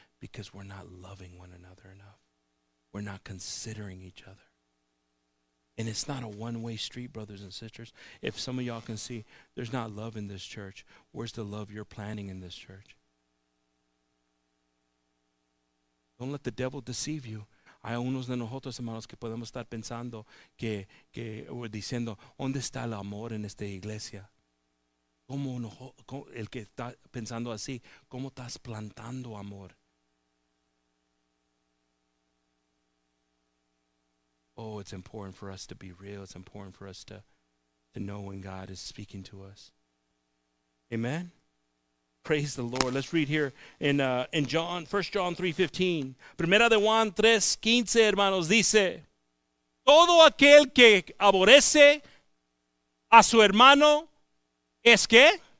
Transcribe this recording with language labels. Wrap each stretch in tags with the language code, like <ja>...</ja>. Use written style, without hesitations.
<en>Because we're not loving one another enough. We're not considering each other. And it's not a one-way street, brothers and sisters. If some of y'all can see, there's not love in this church. Where's the love you're planning in this church? Don't let the devil deceive you.</en> <es>Hay unos de nosotros, hermanos, que podemos estar pensando que o diciendo, ¿dónde está el amor en esta iglesia? ¿Cómo el que está pensando así, cómo estás plantando amor?</es> <en>Oh, it's important for us to be real. It's important for us to know when God is speaking to us. Amen? Praise the Lord. Let's read here in John, 1 John 3:15.</en> <es>Primera de Juan 3:15, hermanos, dice, todo aquel que aborrece a su hermano es que?</es>